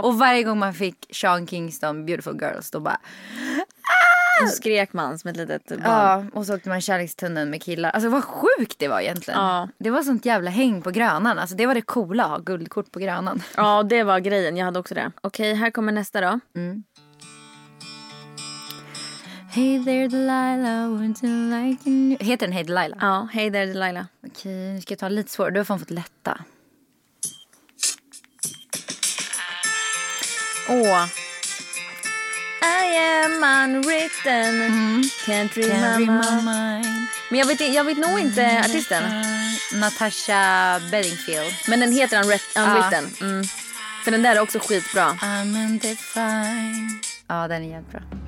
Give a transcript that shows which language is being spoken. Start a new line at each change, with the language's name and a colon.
Swedish: Och varje gång man fick Sean Kingston, Beautiful Girls, då bara... Och skrek man som ett litet barn. Ja, och så åkte man kärlekstunneln med killar. Alltså vad sjukt det var egentligen. Ja. Det var sånt jävla häng på Grönan. Alltså det var det coola att ha guldkort på Grönan. Ja, det var grejen. Jag hade också det. Okej, här kommer nästa då.
English: Hey there Delilah, would you like you?
Swedish: Heter den Hey Delilah? Ja, Hey there Delilah. Okej, nu ska jag ta lite svårare. Du har fått lätta. Åh.
English: I am unwritten, can't read my mind.
Swedish: Men jag vet nog inte artisten. Natasha Bedingfield. Men den heter Unwritten. Ah. Mm. För den där är också skitbra.
English: I'm undefined.
Swedish: Ja, den är jättebra.